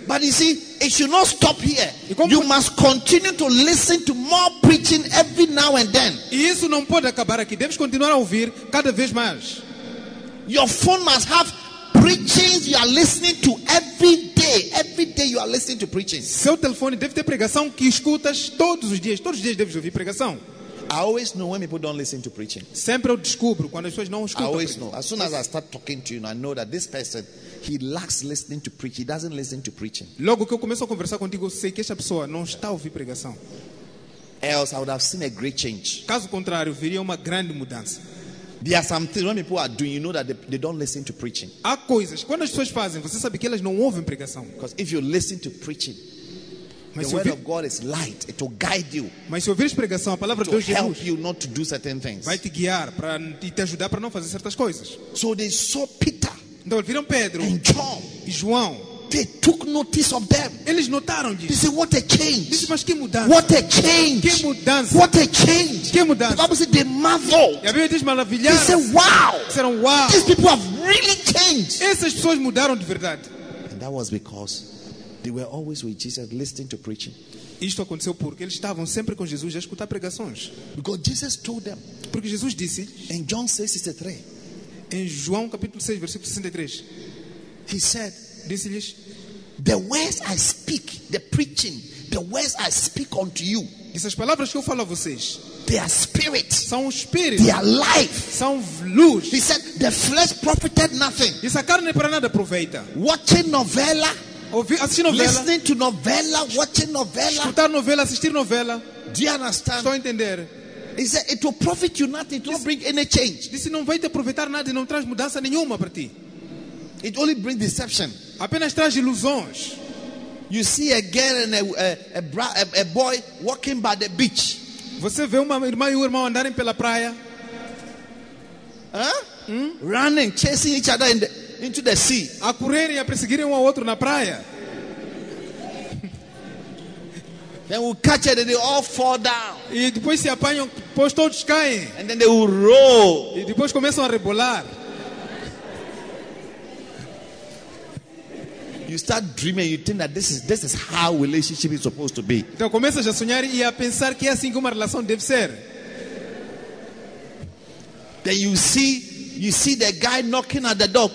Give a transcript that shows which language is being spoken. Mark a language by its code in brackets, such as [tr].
[en] But you see, it should not stop here. You must continue to listen to more preaching every now and then. [pt] E isso não pode acabar aqui. Deves continuar a ouvir cada vez mais. [en] Your phone must have preachings you are listening to every day. Every day you are listening to preachings. [pt] Seu telefone deve ter pregação que escutas todos os dias. Todos os dias deves ouvir pregação. [en] I always know when people don't listen to preaching. [pt] Sempre eu descubro quando as pessoas não escutam. [en] I always know. As soon as I start talking to you, I know that this person, he lacks listening to preach. He doesn't listen to preaching. [pt] Logo que eu começo a conversar contigo, eu sei que essa pessoa não está a ouvir pregação. [en] Else I would have seen a great change. [pt] Caso contrário, viria uma grande mudança. [en] There are some things when people are doing, you know that they don't listen to preaching. [pt] Há coisas quando as pessoas fazem, você sabe que elas não ouvem pregação. [en] Because if you listen to preaching, mas the word of God is light; it will guide you. [pt] Mas se ouvires pregação, a palavra de Deus [en] help Jesus, you not to do certain things. [pt] Vai te guiar para te ajudar para não fazer certas coisas. [en] So they saw Peter. [pt] Então viram Pedro [en] and John, [pt] e João. [en] They took notice of them. [pt] Eles notaram disso. [en] They said, "What a change! [pt] Disse, mas que mudança! [en] What a change! [pt] Que mudança! [en] What a change! [pt] Que mudança!" [en] The Bible said they marveled. [pt] E a Bíblia diz maravilhar. [en] They said, "Wow!" [pt] Disseram, "Wow!" [en] These people have really changed. [pt] Essas pessoas mudaram de verdade. [en] And that was because they were always with Jesus, listening to preaching. [pt] Isto aconteceu porque eles estavam sempre com Jesus a escutar pregações. [en] Because Jesus told them. [pt] Porque Jesus disse. [en] In John 6:63. [pt] Em João capítulo 6, versículo 63. [en] He said. [pt] Disse-lhes, [en] the words I speak, the preaching, the words I speak unto you. [pt] Essas palavras que eu falo a vocês, [en] they are spirit. [pt] São espírito. [en] They are life. [pt] São luz. [en] He said, the flesh profited nothing. [pt] Disse, a carne para nada aproveita. [en] Watching novela. [pt] Assistir novela. [en] Listening to novela. Watching novela. [pt] Escutar novela, assistir novela. [en] Do you understand? [pt] Estou a entender. [en] He said, it will profit you nothing. It will bring any change. [pt] Disse, não vai te aproveitar nada e não traz mudança nenhuma para ti. [en] It only brings deception. [pt] Apenas traz ilusões. [en] You see a girl and a boy walking by the beach. [pt] Você vê uma irmã e um irmão andarem pela praia. [en] Running, chasing each other into the sea. [pt] A correr e a perseguir um ao outro na praia. [en] Then we'll catch it and they all fall down. [pt] E depois se apanham, depois todos caem. [en] And then they will roll. [pt] E depois começam a rebolar. [en] You start dreaming, you think that this is how relationship is supposed to be. [pt] Então começas a sonhar e a pensar que é assim que uma relação deve ser. [en] Then you see the guy knocking at the door.